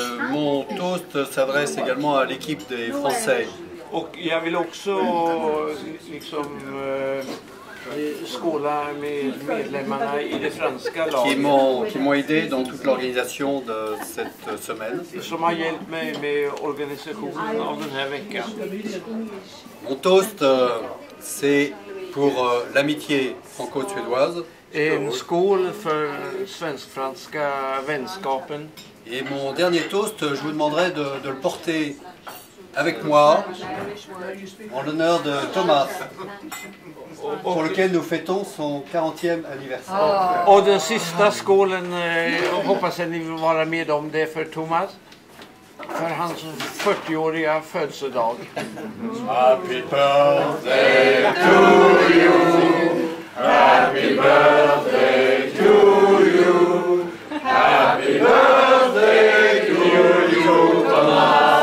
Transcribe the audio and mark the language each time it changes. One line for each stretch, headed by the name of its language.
French: Mon toast s'adresse également à l'équipe des Français.
Swedish: Och jag vill också liksom skåla med medlemmarna i det franska laget.
French: Qui m'ont aidé dans toute l'organisation de cette semaine.
Swedish: Som har hjälpt mig med organisationen av den här veckan.
French: Mon toast, c'est pour l'amitié franco-suédoise.
Swedish: En skål för svensk-franska vänskapen.
French: Et mon dernier toast, je vous demanderai de le porter avec moi, en l'honneur de Thomas, pour lequel nous fêtons son 40e anniversaire.
Swedish: Och den sista skålen, hoppas att ni vill vara med om det för Thomas, för hans 40-åriga födelsedag.
English: Happy birthday to you, happy birthday to you, happy birthday to you, Thomas.